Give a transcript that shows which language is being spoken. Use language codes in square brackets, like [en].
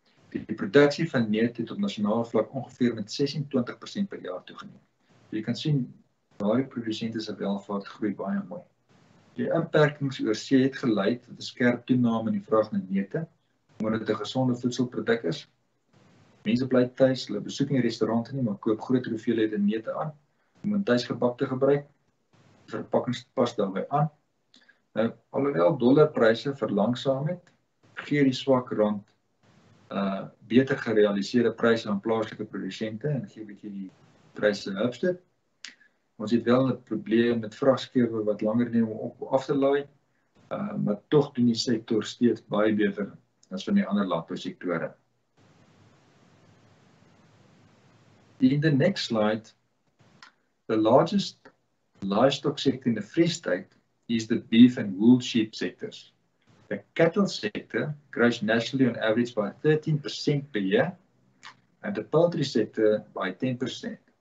[af] Die produksie van neet het op nasionale vlak ongeveer met 26% per jaar toegeneem. Jy kan sien, daardie produsente se welvaart groei baie mooi. Die inperkings oor see het gelei tot 'n skerp toename in die vraag na neete, omdat dit 'n gesonde voedselproduk is. Mense bly tuis, hulle besoek nie restaurante nie, maar koop groot hoeveelhede neete aan om in tuisgebak te gebruik. Die verpakkings pas daarby aan. Nou, alhoewel dollarpryse verlangsaam het, gee die swak rand beter gerealiseerde pryse aan plaaslike produsente en gee 'n bietjie die pryse 'n hupstoot. Ons het wel 'n probleem met vragskepe wat langer neem om op af te laai, maar tog doen die sektor steeds baie beter as van die ander landbousektore. [en] In the next slide, the largest livestock sector in the Free State is the beef and wool sheep sectors. The cattle sector grows nationally on average by 13% per year, and the poultry sector by 10%.